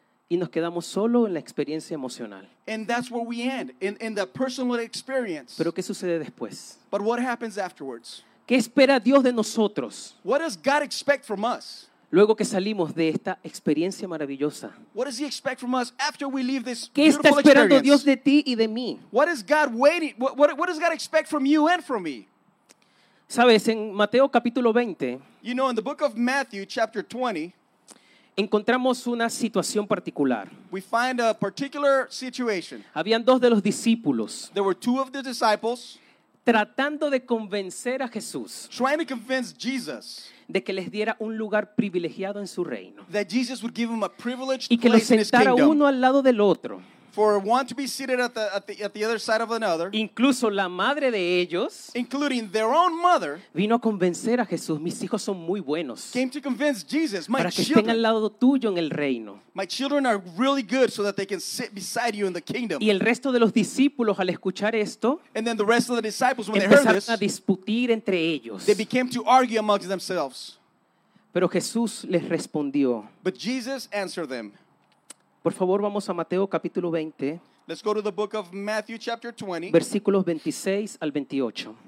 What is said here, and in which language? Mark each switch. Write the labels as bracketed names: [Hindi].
[Spanish] Y nos quedamos solo en la experiencia emocional. [English] And that's where we end, in the personal experience. [Spanish] ¿Pero qué sucede después? [English] But what happens afterwards? [Spanish] ¿Qué espera Dios de nosotros? [English] What does God expect from us? [Spanish] Luego que salimos de esta experiencia maravillosa. [English] What does he expect from us after we leave this beautiful experience? [Spanish] ¿Qué está esperando Dios de ti y de mí? [English] What is God waiting? What does God expect from you and from me? [Spanish] ¿Sabes? En Mateo capítulo 20. [English] You know, in the book of Matthew chapter 20. [Spanish] encontramos una situación particular. [English] We find a particular situation. [Spanish] Habían dos de los discípulos. [English] There were two of the disciples. [Spanish] Tratando de convencer a Jesús. [English] Trying to convince Jesus. [Spanish] De que les diera un lugar privilegiado en su reino. [English] That Jesus would give him a privileged place in his kingdom. [Spanish] Y que lo sentara uno al lado del otro. [English] For one to be seated at the other side of another. [Spanish] Incluso la madre de ellos. [English] Including their own mother. [Spanish] Vino a convencer a Jesús. Mis hijos son muy buenos. [English] Came to convince Jesus. My children. [Spanish] Para que estén al lado tuyo en el reino. [English] My children are really good so that they can sit beside you in the kingdom. [Spanish] Y el resto de los discípulos al escuchar esto. [English] And then the rest of the disciples when they heard this. [Spanish] Empezaron a disputir entre ellos. [English] They became to argue amongst themselves. [Spanish] Pero Jesús les respondió. [English] But Jesus answered them. [Spanish] Por favor, vamos a Mateo capítulo 20. [English] Let's go to the book of Matthew chapter 20. [Spanish] Versículos 26 al 28.